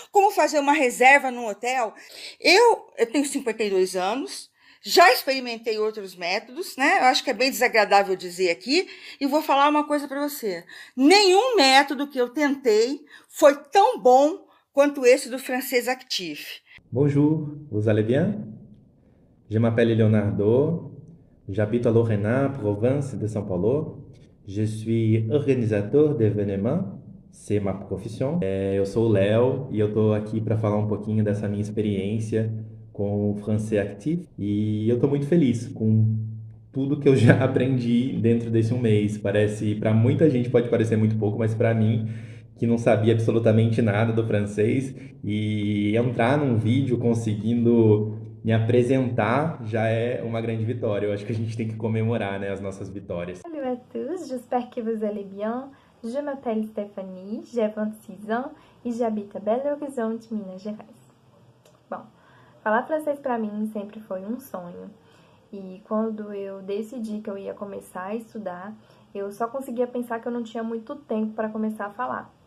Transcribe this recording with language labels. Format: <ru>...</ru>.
<pt>Como fazer uma reserva num hotel? Eu tenho 52 anos, já experimentei outros métodos, né? Eu acho que é bem desagradável dizer aqui e vou falar uma coisa para você. Nenhum método que eu tentei foi tão bom quanto esse do francês Actif.</pt> <fr>Bonjour, vous allez bien? Je m'appelle Leonardo, j'habite à Lorena, province de São Paulo. Je suis organisateur d'événements, c'est ma profession.</fr> <pt>Eu sou o Léo e eu estou aqui para falar um pouquinho dessa minha experiência com o Français Actif. E eu estou muito feliz com tudo que eu já aprendi dentro desse um mês. Parece, para muita gente pode parecer muito pouco, mas para mim, que não sabia absolutamente nada do francês, e entrar num vídeo conseguindo me apresentar já é uma grande vitória. Eu acho que a gente tem que comemorar, né, as nossas vitórias. Olá a todos,</pt> <fr>j'espère que vous allez bien. Je m'appelle Stéphanie, j'ai 26 ans e j'habite à Belo Horizonte, Minas Gerais.</fr> <pt>Bom, falar francês para mim sempre foi um sonho. E quando eu decidi que eu ia começar a estudar, eu só conseguia pensar que eu não tinha muito tempo para começar a falar.</pt>